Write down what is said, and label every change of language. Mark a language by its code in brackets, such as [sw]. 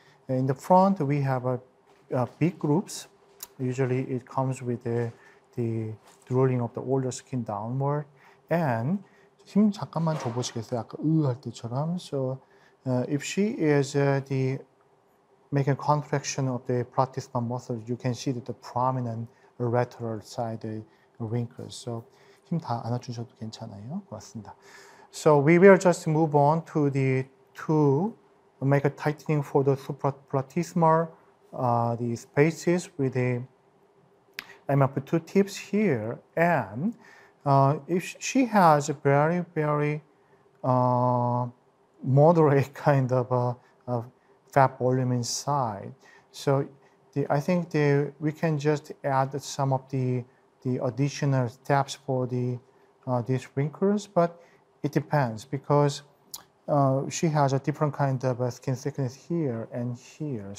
[en] In the front, we have a big groups. Usually it comes with the drooling of the older skin downward. [ko] And 힘 잠깐만 줘보시겠어요? 아까 할 때처럼. [en] So if she is making a contraction of the platysma muscle, you can see that the prominent lateral side wrinkles. [ko] So 힘 다 안아주셔도 괜찮아요. 고맙습니다. [en] So we will just move on to the two, make a tightening for the supraplatysmal the spaces with the MF2 tips here. And if she has a very, very moderate kind of fat volume inside, so I think we can just add some of the additional steps for the these wrinkles, but it depends because she has a different kind of skin thickness here and here.